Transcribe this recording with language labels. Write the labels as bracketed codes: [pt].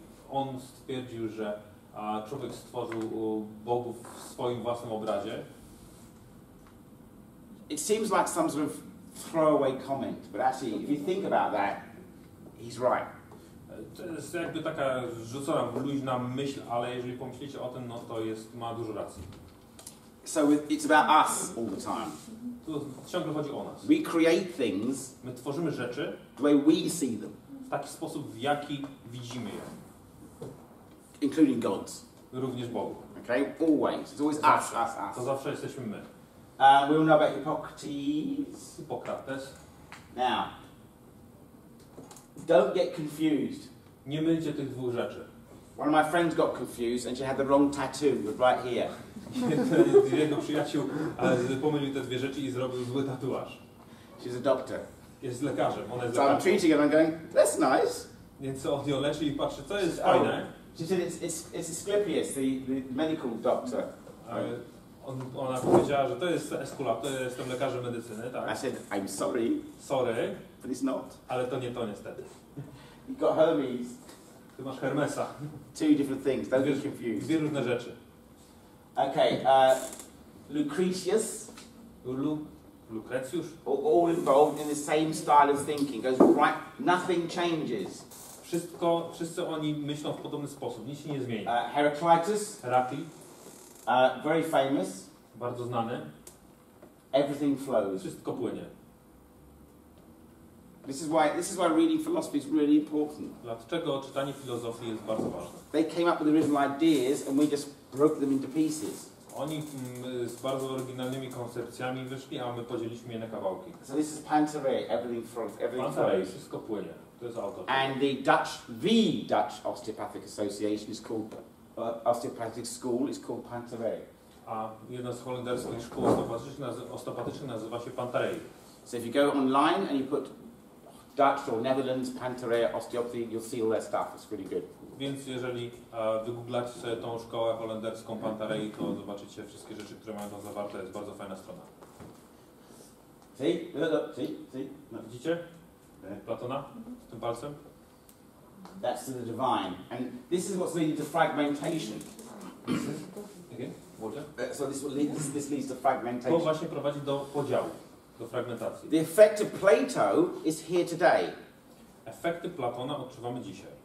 [pl] On stwierdził, że człowiek stworzył bogów w swoim własnym obrazie. [en] It seems like some sort of throwaway comment, but actually, if you think about that, he's right. [pl] To jest jakby taka rzucona, luźna myśl, ale jeżeli pomyślicie o tym, no to jest, ma dużo racji. [en] So it's about us all the time. [pl] To ciągle chodzi o nas. [en] We create things. [pl] My tworzymy rzeczy. [en] The way we see them. [pl] W taki sposób, w jaki widzimy je. [en] Including gods. [pl] Również Bogu. [en] Okay, always. It's always [pl] zawsze. [en] us. [pl] To zawsze jesteśmy my. [en] We all know about Hippocrates. [pl] Hipokrates. [en] Now, don't get confused. [pl] Nie mylcie tych dwóch rzeczy. [en] One of my friends got confused and she had the wrong tattoo right here. [pl] Jego przyjaciół pomylił te dwie rzeczy i zrobił zły tatuaż. [en] She's a doctor. [pl] Jest lekarzem, ona jest [en] so [pl] lekarzem. [en] I'm treating her and I'm going, that's nice. [pl] Więc on ją leczy i patrzy, co jest fajne. [en] She said, it's Asclepius, the medical doctor. [pl] Ona powiedziała, że to jest Esculap, to jestem lekarzem medycyny, tak? [en] I said, I'm sorry. Sorry. But it's not. [pl] Ale to nie to niestety. [en] You got Hermes. [pl] Ty masz Hermesa. [en] Two different things, don't get confused. [pl] Dwie różne rzeczy. [en] Okay, Lucretius. Lucretius. All involved in the same style of thinking. Goes right, nothing changes. [pl] Wszystko, wszyscy oni myślą w podobny sposób, nic się nie zmieni. [en] Heraclitus. [pl] Herakli. [en] Very famous. [pl] Bardzo znany. [en] Everything flows. [pl] Wszystko płynie. [en] This is why reading philosophy is really important. [pl] Dlaczego czytanie filozofii jest bardzo ważne? [en] They came up with original ideas and we just broke them into pieces. [pl] Oni z bardzo oryginalnymi koncepcjami wyszli, a my podzieliśmy je na kawałki. [en] So this is Panteray, everything flows. [pl] Panteray, wszystko płynie. [en] And the Dutch Osteopathic Association is called Osteopathic School is called Panteray. [pl] A jedna z holenderskich szkół osteopatycznych nazywa się Panteray. [en] So if you go online and you put Dutch or Netherlands Panteray Osteopathy, you'll see all their stuff. It's really good. [pl] Więc jeżeli wygooglacie sobie tą szkołę holenderską Panteray, to zobaczycie wszystkie rzeczy, które mają tam zawarte. Jest bardzo fajna strona. [en] See? [pl] Widzicie? Platona, z tym palcem. [en] That's the divine. And this is what's leading to fragmentation. Again, okay. Water. So this leads to fragmentation. [pl] To właśnie prowadzi do podziału, do fragmentacji. [en] The effect of Plato is here today. [pl] Efekty Platona odczuwamy dzisiaj.